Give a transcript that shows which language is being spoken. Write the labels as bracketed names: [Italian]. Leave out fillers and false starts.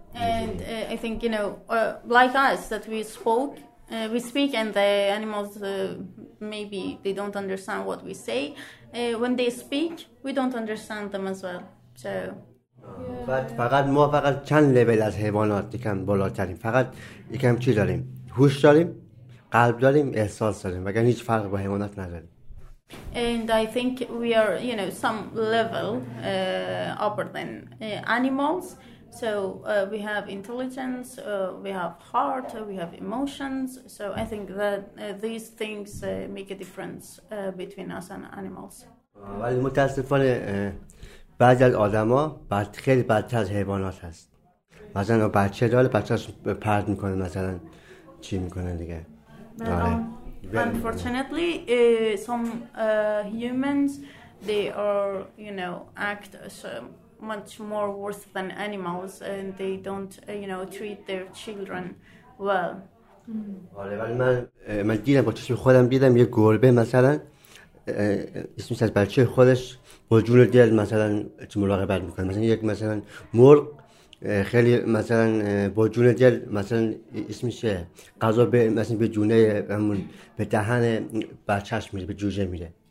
[English] and I think you know like us that we spoke we speak and the animals maybe they don't understand what we say when they speak we don't understand them as well so [Persian] فقط فقط ما فقط چند لول از حیوانات یکم بالاتریم فقط یکم چی داریم هوش داریم قلب داریم احساس داریم وگرنه هیچ فرق با حیوانات نداریم [English] and I think we are you know some level upper than animals so we have intelligence we have heart we have emotions so I think that these things make a difference between us and animals [Persian] ولی متاسفانه بعضی از آدم ها بعد خیلی بدتر از حیوانات هست مثلا بچه داره بچه هاش پرد میکنه مثلا چی میکنه دیگه [English] Unfortunately, some humans, they are, you know, act so much more worse than animals and they don't, you know, treat their children well. [Persian] آره ولی من دیدم با چشم خودم دیدم یه گربه مثلا اسمش از بچه خودش با جون دل مثلا چه مراقبت میکنه مثلا یک مثلا مرغ خیلی مثلا با جون دل مثلا اسمش قضا به مثلا به جونه همون به دهن بچهش میره به جوجه میره